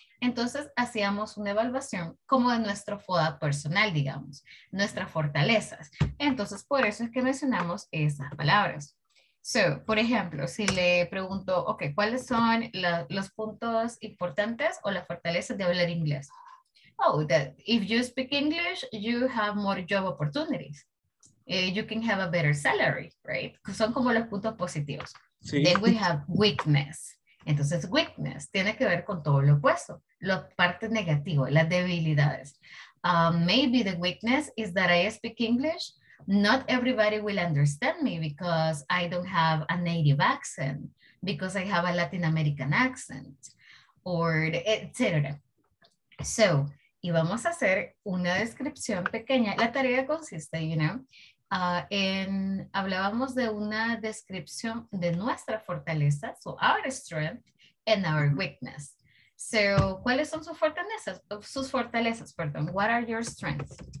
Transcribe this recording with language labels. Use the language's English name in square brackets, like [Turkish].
[Spanish] Entonces, hacíamos una evaluación como de nuestro FODA personal, digamos, nuestras fortalezas. Entonces, por eso es que mencionamos esas palabras. So, por ejemplo, si le pregunto, ok, ¿cuáles son los puntos importantes o las fortalezas de hablar inglés? [English] Oh, that if you speak English, you have more job opportunities. You can have a better salary, right? [Spanish] Son como los puntos positivos. [English] Sí. Then we have weakness. [Spanish] Entonces, weakness tiene que ver con todo lo opuesto. La parte negativa, las debilidades. [English] Maybe the weakness is that I speak English. Not everybody will understand me because I don't have a native accent, because I have a Latin American accent, or etc. [Spanish] So, y vamos a hacer una descripción pequeña. La tarea consiste, you know, hablábamos de una descripción de nuestra fortaleza, [English] so our strength and our weakness. So, [Spanish] ¿cuáles son sus fortalezas? [English] What are your strengths?